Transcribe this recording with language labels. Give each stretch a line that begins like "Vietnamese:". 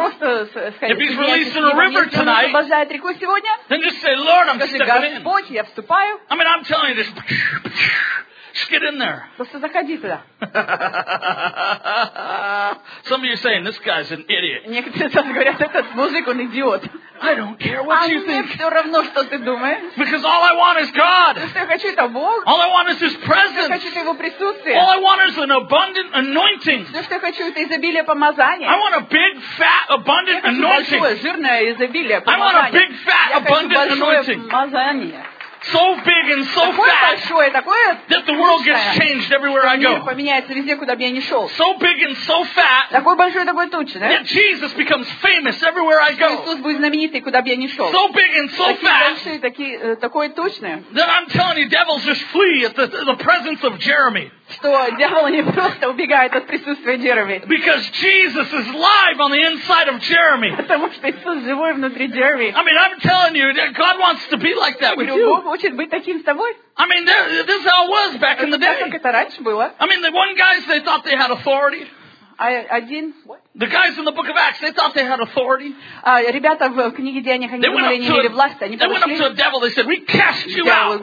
English: If he's releasing a river tonight, then just say, Lord, I'm stepping in. I mean, I'm telling you, just get in there. Some of you are saying, this guy's an idiot. I don't care what you think.
Russian: Все равно, что ты думаешь.
English: Because all I want is God.
Russian: Все, что я хочу, это Бог.
English: All I want is His presence.
Russian: Все, что я хочу, это его присутствие.
English: All I want is an abundant anointing.
Russian: Все, что я хочу, это изобилие помазания.
English: I want a big, fat, abundant anointing.
Russian: Я хочу большое, жирное изобилие помазания.
English: I want a big, fat, abundant anointing. So big and so fat that the world gets changed everywhere I go. So big and so fat that Jesus becomes famous everywhere I go. So big and so fat that I'm telling you, devils just flee at the presence of Jeremy.
Russian: Что дьявол не просто убегает от присутствия Джереми.
English: Because Jesus is live on the inside of Jeremy.
Russian: Потому что Иисус живой внутри Джереми.
English: I mean, I'm telling you, God wants to be like that with you.
Russian: Бог хочет быть таким с тобой.
English: I mean, this is how it was back in the day.
Russian: Так, как это раньше было.
English: I mean, the one guys, they thought they had authority.
Russian: Один, what?
English: The guys in the book of Acts, they thought they had authority.
Russian: Ребята в книге Деяний, они думали, они имели власть, они пришли.
English: They went up to a devil, they said, we cast you out.